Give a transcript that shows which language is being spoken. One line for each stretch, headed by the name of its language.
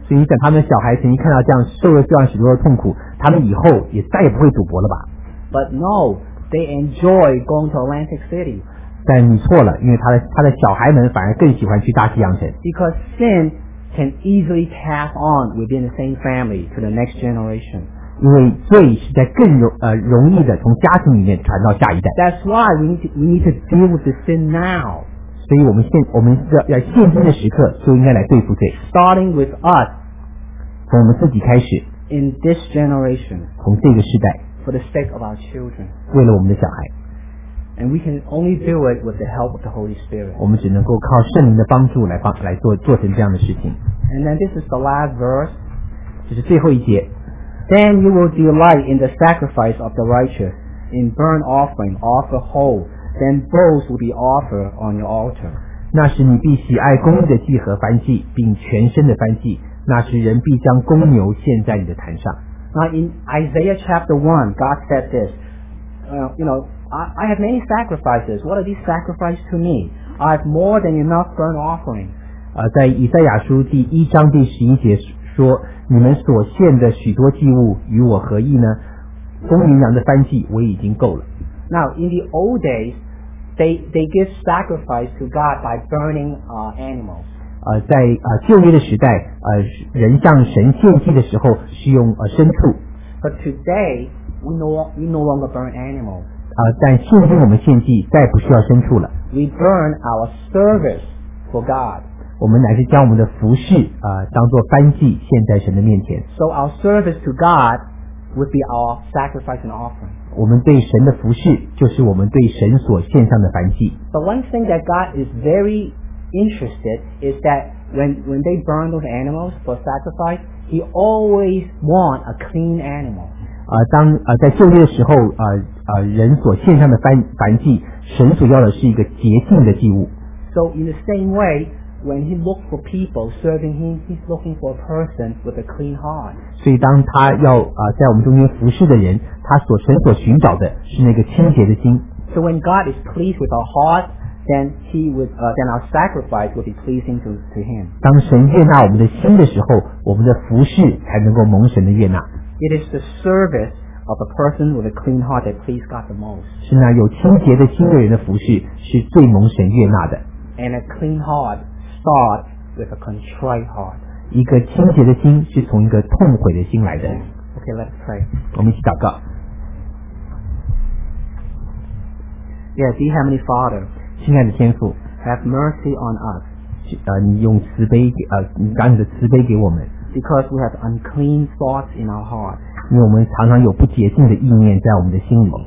Chinese: 所以，等他们小孩曾经看到这样受了这样许多的痛苦，他们以后也再也不会赌博了吧
English: ？But no, they enjoy going to Atlantic City.
Chinese: 但你错了，因为他的小孩们反而更喜欢去大西洋城。
English: Because sin can easily pass on within the same family to the next generation.
Chinese: 因为罪是在更容易的从家庭里面传到下一代。
English: That's why we need to deal with the sin now.
Chinese: 所以我们要现今的时刻就应该来对付罪。
English: Starting with us.
Chinese: 从我们自己开始。
English: In this generation.
Chinese: 从这个时代。
English: For the sake of our children.
Chinese: 为了我们的小孩。
English: And we can only do it with the help of the Holy Spirit.
Chinese: 我们只能够靠圣灵的帮助来做成这样的事情。
English: And then this is the last verse.
Chinese: 这是最后一节。
English: Then you will delight in the sacrifice of the righteous, in burnt offering, offer whole. Then both will be offered on your altar.
Chinese: 那时你必喜爱公义的祭和燔祭，并全身的燔祭。那时人必将公牛献在你的坛上。
English: Now in Isaiah chapter 1, God said this. You know,I have many sacrifices. What are these sacrifices to me? I have more than enough burnt offerings.
Chinese: 在以赛亚书第一章第十一节说你们所献的许多祭物与我何异呢？公绵羊的燔祭我已经够了。
English: Now in the old days they give sacrifice to God by burning animals.
Chinese: 在旧约的时代人向神献祭的时候是用牲畜。
English: But today we no longer burn animals.
Chinese: 但现今我们献祭再不需要牲畜了。
English: We burn our service for God.
Chinese: 我们乃是将我们的服事当作燔祭献在神的面前。
English: So our service to God would be our sacrifice and offering.
Chinese: 我们对神的服事就是我们对神所献上的燔祭。
English: But one thing that God is very interested is that when they burn those animals for sacrifice, He always wants a clean animal.
Chinese: 在旧约的时候人所献上的燔祭神所要的是一个洁净的祭物。
English: So in the same way, when he looks for people serving him, he's looking for a person with a clean heart.
Chinese: 所以当他要在我们中间服侍的人，他所神所寻找的是那个清洁的心。
English: So when God is pleased with our heart, then he would then our sacrifice would be pleasing to him.
Chinese: 当神悦纳我们的心的时候，我们的服侍才能够蒙神的悦纳。
English: It is the service of a person with a clean heart that pleases God the most.
Chinese: 是那有清洁的心的人的服侍是最蒙神悦纳的。
English: And a clean heart starts with a contrite heart.
Chinese: 一个清洁的心是从一个痛悔的心来的。
English: Okay, let's pray.
Chinese: 我们一起祷告。
English: Yeah, dear Heavenly Father,
Chinese: 亲爱的天父，
English: have mercy on us.
Chinese: 你用慈悲你把你的慈悲给我们。
English: Because we have unclean thoughts in our heart.
Chinese: 因为我们常常有不洁净的意念在我们的心里。